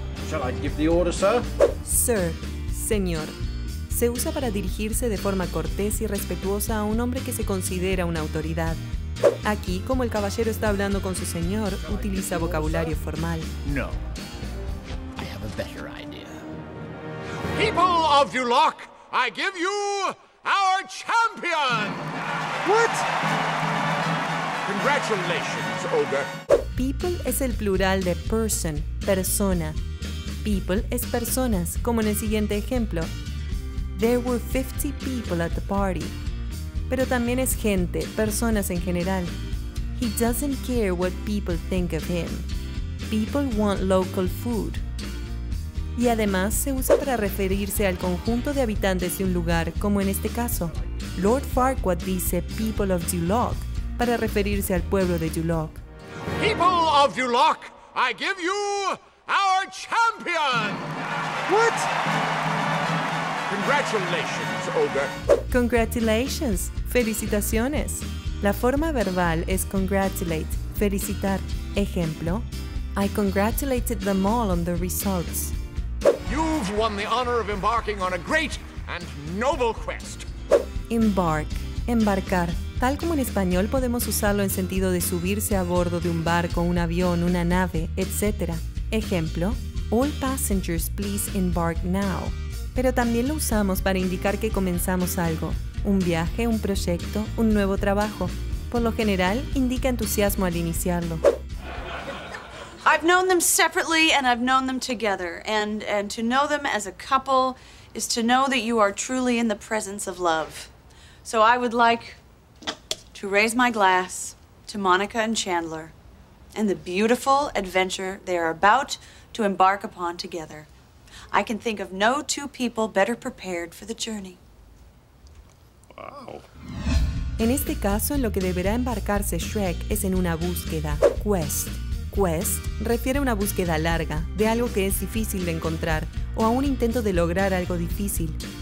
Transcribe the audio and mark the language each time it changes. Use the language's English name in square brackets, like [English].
[English] Shall I give the order, sir? [Spanish] Sir, señor. Se usa para dirigirse de forma cortés y respetuosa a un hombre que se considera una autoridad. Aquí, como el caballero está hablando con su señor, utiliza vocabulario formal. [English] No. I have a better idea. People of Duloc, I give you our champion! What? Congratulations, Ogre. [Spanish] People es el plural de person, persona. People es personas, como en el siguiente ejemplo. [English] There were 50 people at the party. [Spanish] Pero también es gente, personas en general. [English] He doesn't care what people think of him. People want local food. [Spanish] Y además se usa para referirse al conjunto de habitantes de un lugar, como en este caso. Lord Farquaad dice [English] people of Duloc [Spanish] para referirse al pueblo de Duloc. [English] People of Duloc, I give you our champion! What? Congratulations, Ogre. [Spanish] Congratulations, felicitaciones. La forma verbal es congratulate, felicitar. Ejemplo, [English] I congratulated them all on the results. You've won the honor of embarking on a great and noble quest. [Spanish] Embark, embarcar. Tal como en español podemos usarlo en sentido de subirse a bordo de un barco, un avión, una nave, etc. Ejemplo, [English] all passengers please embark now. [Spanish] Pero también lo usamos para indicar que comenzamos algo. Un viaje, un proyecto, un nuevo trabajo. Por lo general, indica entusiasmo al iniciarlo. [English] I've known them separately and I've known them together. And to know them as a couple is to know that you are truly in the presence of love. So I would like to raise my glass to Monica and Chandler and the beautiful adventure they are about to embark upon together. I can think of no two people better prepared for the journey. Wow. [Spanish] En este caso, en lo que deberá embarcarse Shrek es en una búsqueda, quest. Quest refiere a una búsqueda larga, de algo que es difícil de encontrar, o a un intento de lograr algo difícil.